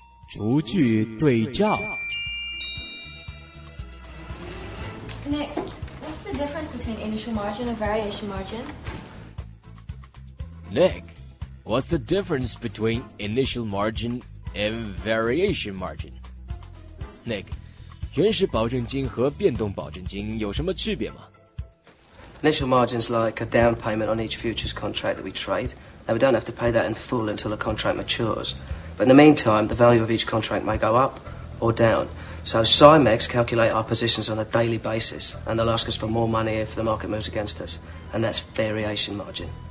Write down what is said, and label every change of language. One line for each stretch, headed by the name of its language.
Chinese: 逐句对照。
English: Nick, what's the difference between initial margin and variation margin? Nick, what's the difference between initial margin and variation margin?
Chinese: Nick, 原始保证金和变动保证金有什么区别吗？
English: Initial margin's like a down payment on each futures contract that we trade. Now we don't have to pay that in full until a contract matures. But in the meantime, the value of each contract may go up or down. So CIMEX calculate our positions on a daily basis, and they'll ask us for more money if the market moves against us. And that's variation margin.